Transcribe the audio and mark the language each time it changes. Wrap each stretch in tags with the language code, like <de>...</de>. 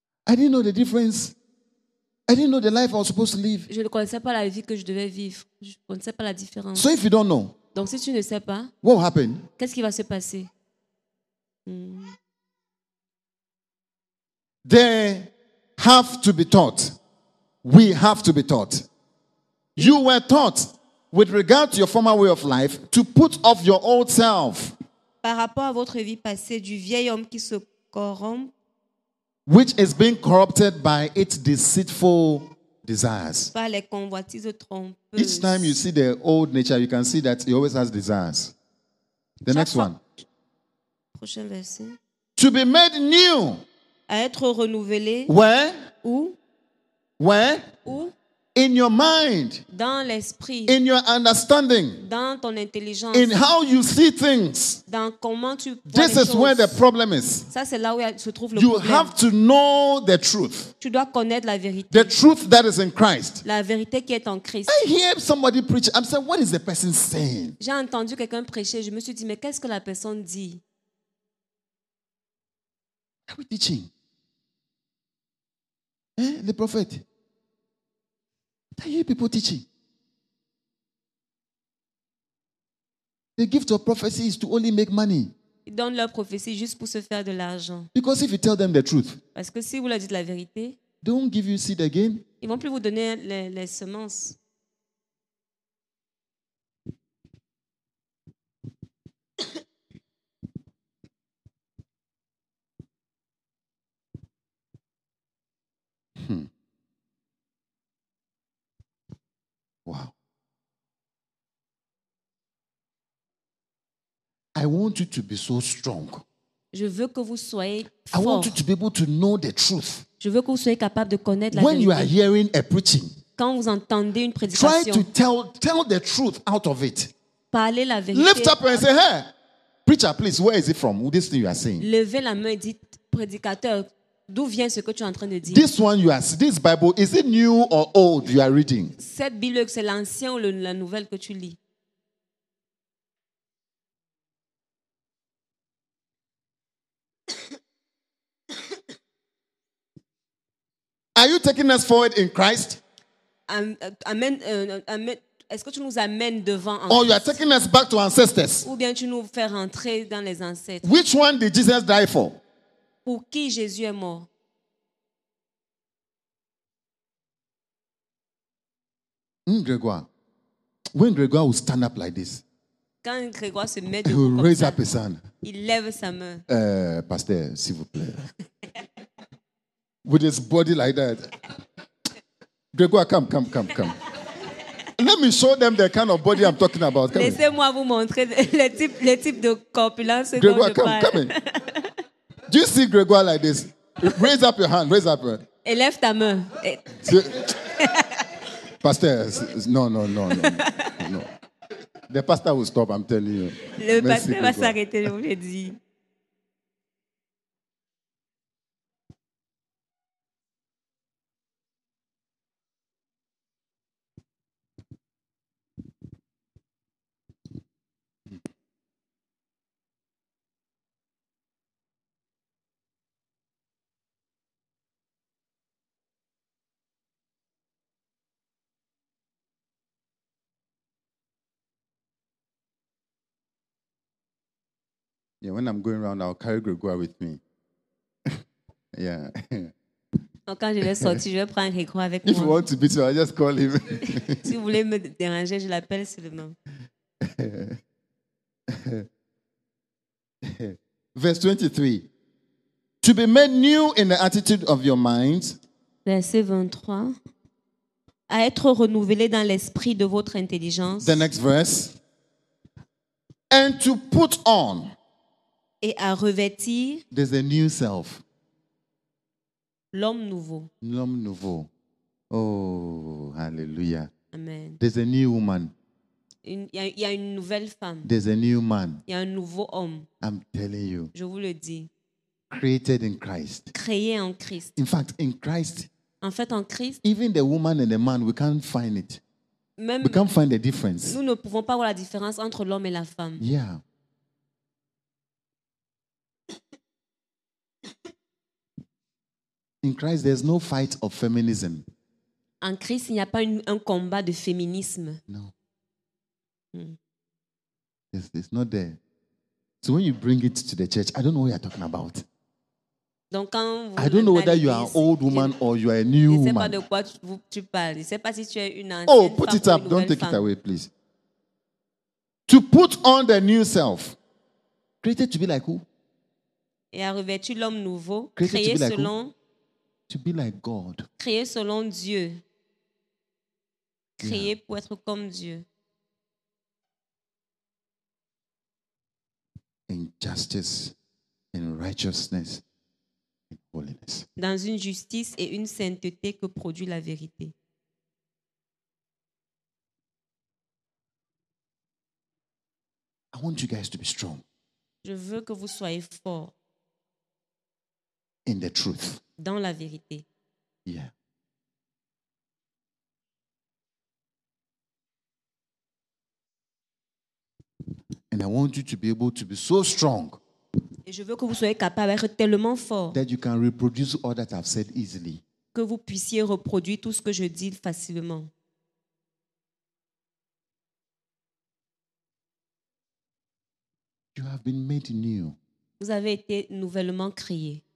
<en>I didn't know the difference. I didn't know the life I was supposed to live.</en> <fr>Je ne connaissais pas la vie que je devais vivre. Je ne connaissais pas la différence.</fr> <en>So if you don't know.</en> <fr>Donc si tu ne sais pas,</fr> <en>what will happen?</en> <fr>Qu'est-ce qui va se passer?</fr> <en>They have to be taught. We have to be taught. You were taught with regard to your former way of life to put off your old self.</en> <fr>Par rapport à votre vie passée, du vieil homme qui se corrompt,</fr> <en>which is being corrupted by its deceitful desires.</en> <fr>Par les convoitises de trompeuses.</fr> <en>Each time you see the old nature, you can see that he always has desires. The next one.</en> <fr>Prochain verset.</fr> <en>To be made new.</en> <fr>À être renouvelé.</fr> <en>Where?</en> <fr>Où?</fr> <en>Where?</en> <fr>Où?</fr> <en>In your mind.</en> <fr>Dans l'esprit.</fr> <en>In your understanding.</en> <fr>Dans ton intelligence.</fr> <en>In how you see things.</en> <fr>Dans comment tu vois</fr> <en>this</en> <fr>les</fr> <en>is</en> <fr>choses.</fr> <en>Where the problem is.</en> <fr>Ça, c'est là où se trouve le</fr> <en>you</en> <fr>problème.</fr> <en>Have to know the truth.</en> <fr>Tu dois connaître la vérité.</fr> <en>The truth that is in Christ.</en> <fr>La vérité qui est en Christ.</fr> <en>I hear somebody preach. I'm saying, what is the person saying?</en> <fr>J'ai entendu quelqu'un prêcher. Je me suis dit, mais qu'est-ce que la personne dit?</fr> <en>Are we teaching? Eh, the prophet. I hear people teaching. The gift of prophecy is to only make money.</en> <fr>Ils donnent leur prophétie juste pour se faire de l'argent.</fr> <en>Because if you tell them the truth,</en> <fr>parce que si vous leur dites la vérité,</fr> <en>they won't give you seed again.</en> <fr>Ils vont plus vous donner les semences.</fr> <en>Wow. I want you to be so strong.</en> <fr>Je veux que vous soyez fort.</fr> <en>I want you to be able to know the truth.</en> <fr>Je veux que vous soyez capable de connaître la</fr> <en>when</en> <fr>vérité.</fr> <en>You are hearing a preaching,</en> <fr>quand vous entendez une prédication,</fr> <en>try to tell the truth out of it.</en> <fr>Parlez la vérité.</fr> <en>Lift up and say, hey, preacher, please, where is it from? This thing you are saying.</en> <fr>Levez la main et dites, prédicateur, d'où vient ce que tu es en train de dire?</fr> <en>This one you are, this Bible, is it new or old you are reading?</en> <fr>Cette Bible, c'est l'ancien ou la nouvelle que tu lis?</fr> <en>Are you taking us forward in Christ?</en> <fr>Est-ce que tu nous amènes devant en Christ?</fr> <en>You are taking us back to ancestors.</en> <fr>Ou bien tu nous fais rentrer dans les ancêtres.</fr> <en>Which one did Jesus die for?</en> <fr>Pour qui Jésus est mort?</fr> <en>Grégoire. When Grégoire will stand up like this.</en> <fr>Quand Grégoire se met debout.</fr> <en>He raise up his hand.</en> <fr>Il lève sa main. Pasteur, s'il vous plaît.</fr> <en>With his body like that. Grégoire, come. Let me show them the kind of body I'm talking about. Come</en> <fr>laissez-moi</fr> <en>in.</en> <fr>Vous montrer le type de corpulence.</fr> <en>Grégoire, come in. Do you see Grégoire like this? Raise up your hand, raise up your hand.</en> <fr>Élève ta main.</fr> <en>Pasteur, no. The pastor will stop, I'm telling you.</en> <fr>Le merci, pasteur Grégoire. Va s'arrêter, je vous l'ai dit.</fr> <en>Yeah, when I'm going around, I'll carry Grégoire with me. Yeah.</en> <fr>Quand je vais sortir, je vais prendre Grégoire avec moi.</fr> <en>If you want to beat him, I'll just call him.</en> <fr>Si vous voulez me déranger, je l'appelle seulement.</fr> <en>Verse 23. To be made new in the attitude of your mind.</en> <fr>Verset 23. À être renouvelé dans l'esprit de votre intelligence.</fr> <en>The next verse. And to put on.</en> <fr>Et à revêtir.</fr> <en>There's a new self.</en> <fr>L'homme nouveau. L'homme nouveau. Oh, hallelujah.</fr> <en>Amen. There's a new woman.</en> <fr>Il y a une nouvelle femme.</fr> <en>There's a new man.</en> <fr>Il y a un nouveau homme.</fr> <en>I'm telling you.</en> <fr>Je vous le dis.</fr> <en>Created in Christ.</en> <fr>Créé en Christ.</fr> <en>In fact, in Christ.</en> <fr>En fait, en Christ.</fr> <en>Even the woman and the man, we can't find it.</en> <fr>Même</fr> <en>we can't find the difference.</en> <fr>Nous ne pouvons pas voir la différence entre l'homme et la femme.</fr> <en>Yeah. In Christ, there's no fight of feminism.</en> <fr>En Christ, il n'y a pas un combat de féminisme.</fr> <en>No. Mm. It's not there. So when you bring it to the church, I don't know what you're talking about.</en> <fr>Donc quand vous</fr> <en>I don't know whether you are an old woman or you are a new woman.</en> <fr>Je ne sais pas de quoi tu parles. Je ne sais pas si tu es une ancienne.</fr> <en>Oh, put it up. Don't take it away, please. To put on the new self. Created to be like who?</en> <fr>Et à revêtir l'homme nouveau. Créé selon...</fr> <en>To be like God.</en> <fr>Créé selon Dieu. Créé yeah. Pour être comme Dieu.</fr> <en>In justice, in righteousness, in holiness.</en> <fr>Dans une justice et une sainteté que produit la vérité.</fr> <en>I want you guys to be strong.</en> <fr>Je veux que vous soyez forts.</fr> <en>In the truth.</en> <fr>Dans la vérité.</fr> <en>Yeah. And I want you to be able to be so strong.</en> <fr>Et je veux que vous soyez capable d'être tellement fort.</fr> <en>That you can reproduce all that I've said easily.</en> <fr>Que vous puissiez reproduire tout ce que je dis facilement.</fr> <en>You have been made new.</en> <fr>Vous avez été nouvellement créé.</fr>